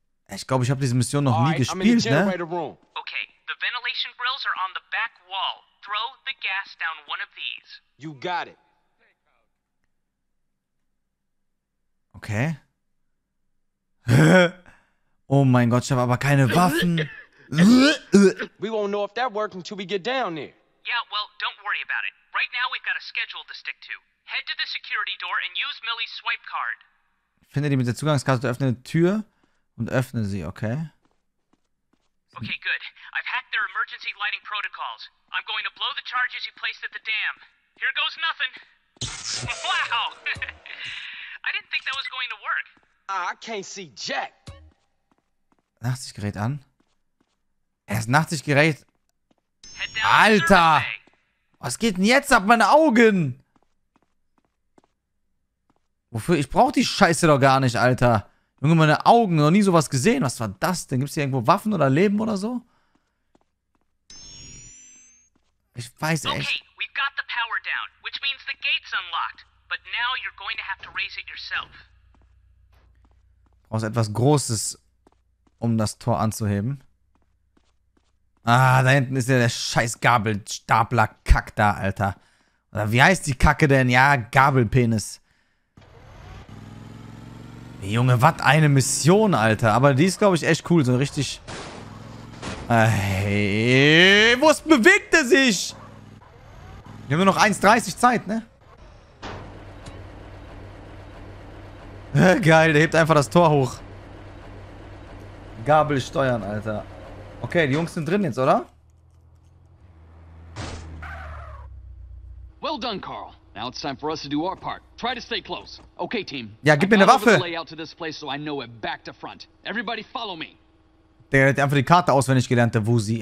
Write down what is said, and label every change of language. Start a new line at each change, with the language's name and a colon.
German: Ich glaube, ich habe diese Mission noch nie gespielt, ne?
English: Okay, the ventilation grills are on the back wall. Throw the gas down one of these. You got it. Okay.
German: Oh mein Gott, ich habe aber keine Waffen.
English: We won't know if that worked until we get down there. Yeah, well, don't worry about it. Right now we've got a schedule to stick to. Head to the security door and use Millie's swipe card.
German: Finde die mit der Zugangskarte, öffne eine Tür und öffne sie, okay?
English: Okay, good. I've hacked their emergency lighting protocols. I'm going to blow the charges you placed at the dam. Here goes nothing. Wow! I didn't think that was going to work. I can't see Jack.
German: Nachtsichtgerät an. Er ist Nachtsichtgerät. Alter! Was geht denn jetzt ab meinen Augen? Wofür? Ich brauche die Scheiße doch gar nicht, Alter. Junge, meine Augen, noch nie sowas gesehen. Was war das denn? Gibt es hier irgendwo Waffen oder Leben oder so? Ich weiß echt.
English: Okay, we've got the power down, which means the gate's unlocked. But now you're going to have to raise it yourself.
German: Brauchst etwas Großes, um das Tor anzuheben. Ah, da hinten ist ja der scheiß Gabelstapler-Kack da, Alter. Oder wie heißt die Kacke denn? Ja, Gabelpenis. Junge, was eine Mission, Alter. Aber die ist, glaube ich, echt cool. So richtig... wo bewegt er sich? Wir haben nur noch 1,30 Zeit, ne? Geil, der hebt einfach das Tor hoch. Gabel steuern, Alter. Okay, die Jungs sind drin jetzt, oder?
English: Well done, Carl. Now it's time for us to do our part. Try to stay close. Okay, team.
German: Ja, gib mir eine Waffe.
English: Lay out to this place so I know it back to front. Everybody follow me.
German: Der hat einfach die Karte auswendig gelernt, der Wusi.